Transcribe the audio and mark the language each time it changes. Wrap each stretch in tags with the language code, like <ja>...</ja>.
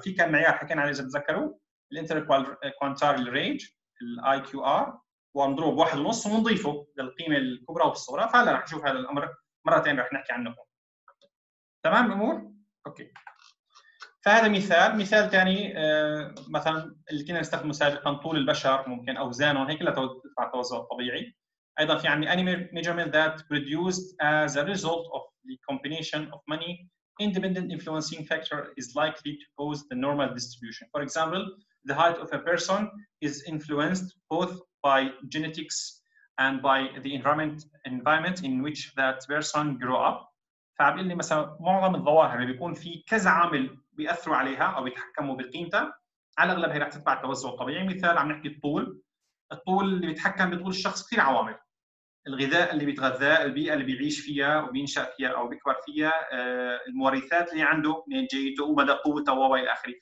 <ar>في كان معيار حكينا عليه اذا بتذكروا الانتركوال كوانتايل رينج الاي كيو ار، ونضرب 1.5 ونضيفه للقيمه الكبرى والصغرى. فهلا رح نشوف هذا الامر مره ثانيه رح نحكي عنه تمام الامور. اوكي فهذا مثال. مثال ثاني مثلا اللي كنا نستخدمه سابقا طول البشر ممكن اوزانهم هيك للتوازن الطبيعي. ايضا في عندي</ar> <en>any measurement that produced as a result of the combination of many independent influencing factor is likely to cause the normal distribution. For example, the height of a person is influenced both by genetics and by the environment in which that person grew up.</en> <ar>فبيقول لي مثلا معظم الظواهر اللي بيكون في كذا عامل بيأثروا عليها او بيتحكموا بقيمتها على الاغلب هي رح تتبع التوزع الطبيعي. مثال عم نحكي الطول. الطول اللي بيتحكم بطول الشخص كثير عوامل، الغذاء اللي بيتغذى، البيئه اللي بيعيش فيها وبينشا فيها او بيكبر فيها، المورثات اللي عنده منين جيته ومدى قوته والى اخره.</ar>